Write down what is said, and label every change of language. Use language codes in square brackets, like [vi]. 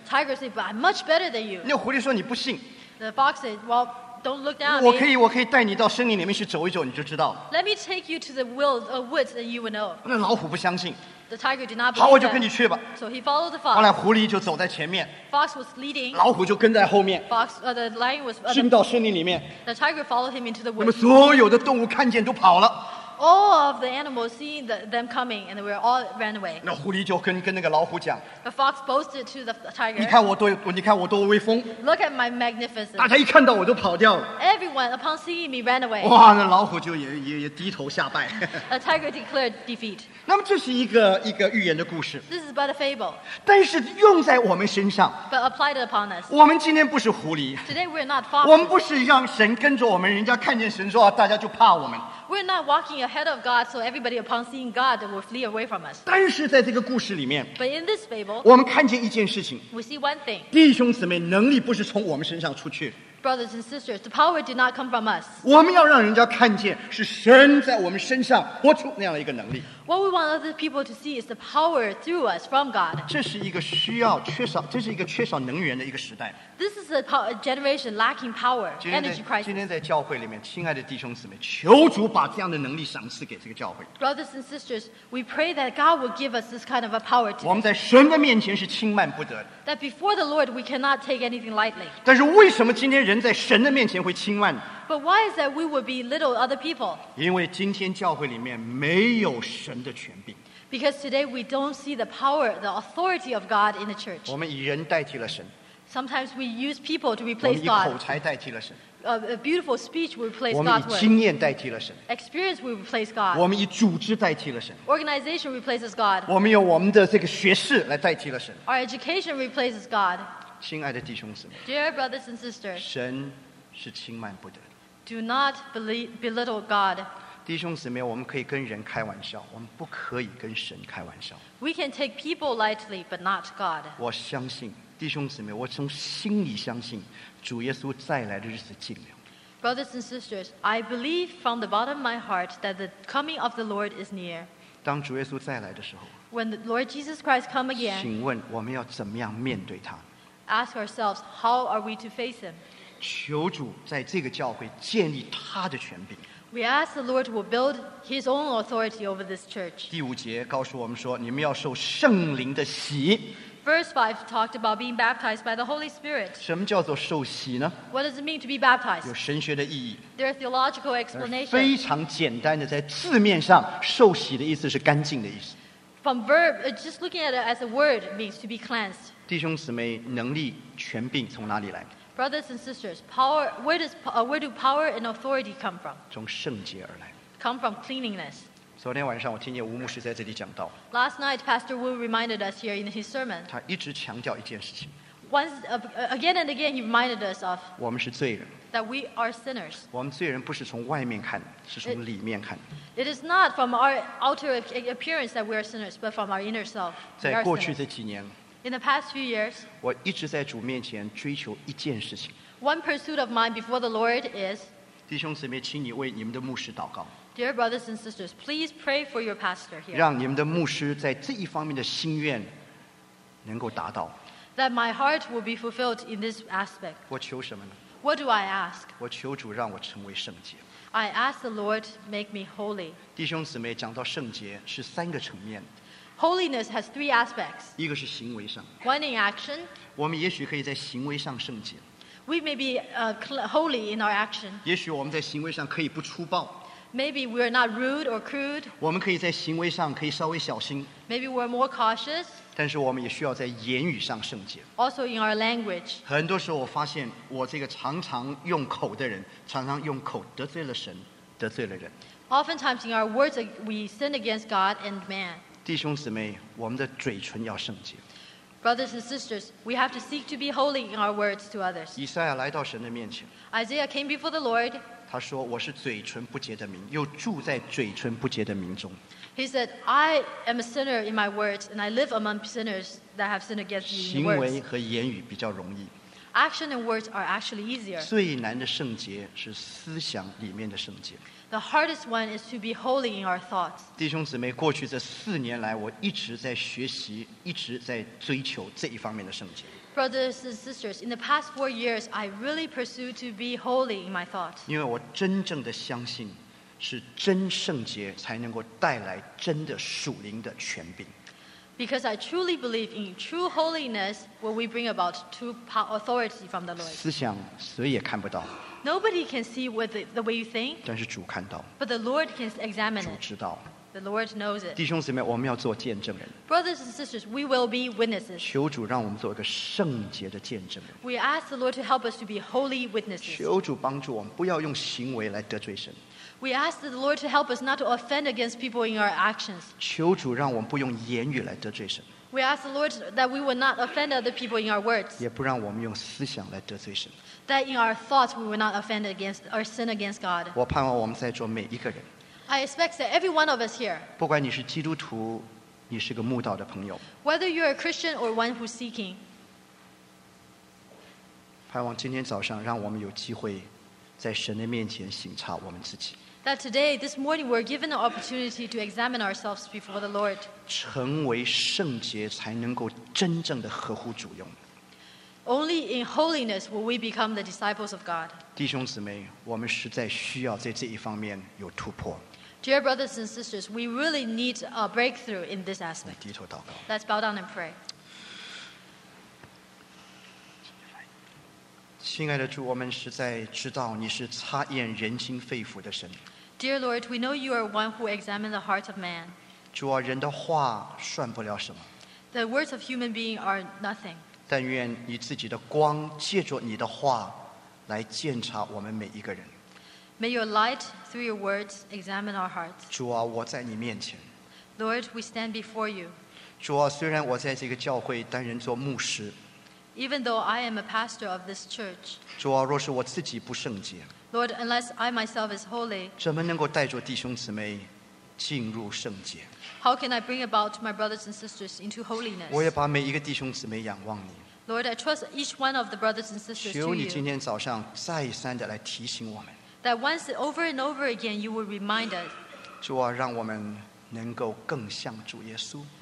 [en] Tiger said, but I'm much better than you. [zh] 那狐狸说你不信。 [en] The fox said, well, don't look down. [zh] 我可以带你到森林里面去走一走，你就知道。 [en] Let me take you to the woods, and you will know. [zh] 那老虎不相信。 [en] The tiger did not believe. [zh] 好，我就跟你去吧。 [en] So he followed the fox. [zh] 后来狐狸就走在前面。 [en] Fox was leading. [zh] 老虎就跟在后面。 [en] Fox, the lion was. [zh] 进到森林里面。 [en] The tiger followed him into the woods. [zh] 那么所有的动物看见都跑了。 [en] All of the animals seeing them coming, and they were all ran away. [zh] 那狐狸就跟那个老虎讲。 [en] The fox boasted to the tiger. [zh] 你看我多威风。 [en] Look at my magnificence. [zh] 大家一看到我就跑掉了。 [en] Everyone upon seeing me ran away. [zh] 哇，那老虎就也低头下拜。 [en] The tiger declared defeat. [zh] 那么这是一个寓言的故事。 [en] This is but a fable. [zh] 但是用在我们身上。 [en] But applied upon us. [zh] 我们今天不是狐狸。 [en] Today we're not foxes. [zh] 我们不是让神跟着我们，人家看见神说大家就怕我们。 [en] We're not walking ahead of God, so everybody upon seeing God will flee away from us. [zh] 但是在这个故事里面。 [en] But in this fable. [zh] 我们看见一件事情。 [en] We see one thing. [zh] 弟兄姊妹，能力不是从我们身上出去。 [en] Brothers and sisters, the power did not come from us. [zh] 我们要让人家看见是神在我们身上活出那样一个能力。 [en] What we want other people to see is the power through us from God. [zh] 这是一个需要缺少，这是一个缺少能源的一个时代。 [en] This is a generation lacking power, energy crisis. [zh] 今天在教会里面，亲爱的弟兄姊妹，求主把这样的能力赏赐给这个教会。 [en] Brothers and sisters, we pray that God will give us this kind of a power. [zh] 我们在神的面前是轻慢不得的。 [en] That before the Lord, we cannot take anything lightly. [zh] 但是为什么今天人在神的面前会轻慢？ [en] But why is that we would be little other people? [zh] 因为今天教会里面没有神的权柄。 [en] Because today we don't see the power, the authority of God in the church. [zh] 我们以人代替了神。 [en] Sometimes we use people to replace God. [zh] 我们以口才代替了神。 [en] A beautiful speech will replace God's word. [zh] 我们以经验代替了神。 [en] Experience will replace God. [zh] 我们以组织代替了神。 [en] Organization replaces God. [zh] 我们用我们的这个学识来代替了神。 [en] Our education replaces God. [zh] 亲爱的弟兄姊妹。 [en] Dear brothers and sisters. [zh] 神是轻慢不得。 [en] Do not belittle God. [zh] 弟兄姊妹，我们可以跟人开玩笑，我们不可以跟神开玩笑。 [en] We can take people lightly, but not God. [zh] 我相信，弟兄姊妹，我从心里相信，主耶稣再来的日子近了。 [en] Brothers and sisters, I believe from the bottom of my heart that the coming of the Lord is near. [zh] 当主耶稣再来的时候 [en] ，When the Lord Jesus Christ come again, [zh] 请问我们要怎么样面对他 [en] ？Ask ourselves, how are we to face him? [zh] 求主在这个教会建立他的权柄。 [en] We ask the Lord will build His own authority over this church. [zh] 第五节告诉我们说，你们要受圣灵的洗。 [en] Verse 5 talked about being baptized by the Holy Spirit. [zh] 什么叫做受洗呢 [en] ？What does it mean to be baptized? [zh] 有神学的意义。 [en] There are theological explanations. [zh] 非常简单的，在字面上，受洗的意思是干净的意思。 [en] From verb, just looking at it as a word means to be cleansed. [zh] 弟兄姊妹，能力、权柄从哪里来？ [en] Brothers and sisters, power, where do power and authority come from? [zh] 从圣洁而来。 [en] Come from cleanliness. [zh] 昨天晚上我听见吴牧师在这里讲道。 [en] Last night, Pastor Wu reminded us here in his sermon. [zh] 他一直强调一件事情。 [en] Again and again, he reminded us of. [zh] 我们是罪人。 [en] That we are sinners. [zh] 我们罪人不是从外面看，是从里面看。 [en] It is not from our outer appearance that we are sinners, but from our inner self. [zh] 在过去这几年。 [en] In the past few years, [zh] 我一直在主面前追求一件事情。 [en] One pursuit of mine before the Lord is. [zh] 弟兄姊妹，请你为你们的牧师祷告。 [en] Dear brothers and sisters, please pray for your pastor here. [zh] 让你们的牧师在这一方面的心愿能够达到。 [en] That my heart will be fulfilled in this aspect. [zh] 我求什么呢 [en] ？What do I ask? [zh] 我求主让我成为圣洁。 [en] I ask the Lord make me holy. [zh] 弟兄姊妹，讲到圣洁是三个层面。 [en] Holiness has three aspects. [zh] 一个是行为上。 [en] One in action. [zh] 我们也许可以在行为上圣洁。 [en] We may be holy in our action. [zh] 也许我们在行为上可以不粗暴。 [en] Maybe we are not rude or crude. [zh] 我们可以在行为上可以稍微小心。 [en] Maybe we're more cautious. [zh] 但是我们也需要在言语上圣洁。 [en] Also in our language. [zh] 很多时候我发现我这个常常用口的人，常常用口得罪了神，得罪了人。 [en] Oftentimes in our words we sin against God and man. [zh] 弟兄姊妹，我们的嘴唇要圣洁。 [en] Brothers and sisters, we have to seek to be holy in our words to others. [zh] 以赛亚来到神的面前。 [en] Isaiah came before the Lord. [zh] 他说：“我是嘴唇不洁的民，又住在嘴唇不洁的民中。” [en] He said, "I am a sinner in my words, and I live among sinners that have sinned against you." [zh] 行为和言语比较容易。 [en] Action and words are actually easier. [zh] 最难的圣洁是思想里面的圣洁。 [en] The hardest one is to be holy in our thoughts. [zh] 弟兄姊妹，过去这四年来，我一直在学习，一直在追求这一方面的圣洁。 [en] Brothers and sisters, in the past 4 years, I really pursue to be holy in my thoughts. [zh] 因为我真正的相信，是真圣洁才能够带来真的属灵的权柄。 [en] Because I truly believe in true holiness, where we bring about true authority from the Lord. [zh] 思想谁也看不到。 [en] Nobody can see what the way you think. [zh] 但是主看到。 [en] But the Lord can examine it. [zh] 主知道。 [en] The Lord knows it. [zh] 弟兄姊妹，我们要做见证人。 [en] Brothers and sisters, we will be witnesses. [zh] 求主让我们做一个圣洁的见证人。 [en] We ask the Lord to help us to be holy witnesses. [zh] 求主帮助我们，不要用行为来得罪神。 [en] We ask the Lord to help us not to offend against people in our actions. [zh] 求主让我们不用言语来得罪神。 [en] We ask the Lord that we will not offend other people in our words. [zh] 也不让我们用思想来得罪神。 [en] That in our thoughts we will not offend against or sin against God. [zh] 我盼望我们在座每一个人。 [en] I expect that every one of us here. [zh] 不管你是基督徒，你是个慕道的朋友。 [en] Whether you are a Christian or one who's seeking. [zh] 盼望今天早上让我们有机会在神的面前省察我们自己。 [en] That today, this morning, we're given the opportunity to examine ourselves before the Lord. [zh] 成为圣洁才能够真正的合乎主用。 [en] Only in holiness will we become the disciples of God. [zh] 弟兄姊妹，我们实在需要在这一方面有突破。 [en] Dear brothers and sisters, we really need a breakthrough in this aspect. [zh] 低头祷告。 [en] Let's bow down and pray. [zh] 亲爱的主，我们实在知道你是察验人心肺腑的神。 [en] Dear Lord, we know you are one who examines the heart of man. [zh] 主啊，人的话算不了什么。 [en] The words of human being are nothing. [zh] 但愿你自己的光借着你的话来鉴察我们每一个人。 [en] May your light through your words examine our hearts. [zh] 主啊，我在你面前。 [en] Lord, we stand before you. [zh] 主啊，虽然我在这个教会担任做牧师。 [en] Even though I am a pastor of this church. [zh] 主啊，若是我自己不圣洁。 [en] Lord, unless I myself is holy, [zh] 怎么能够带着弟兄姊妹进入圣洁？ [en] How can I bring about my brothers and sisters into holiness? [zh] 我也把每一个弟兄姊妹仰望你。 [en] Lord, I trust each one of the brothers and sisters to you. [zh] 求你今天早上再三的来提醒我们。 [en] That once over and over again you will remind us. [zh] 主啊，让我们能够更像主耶稣。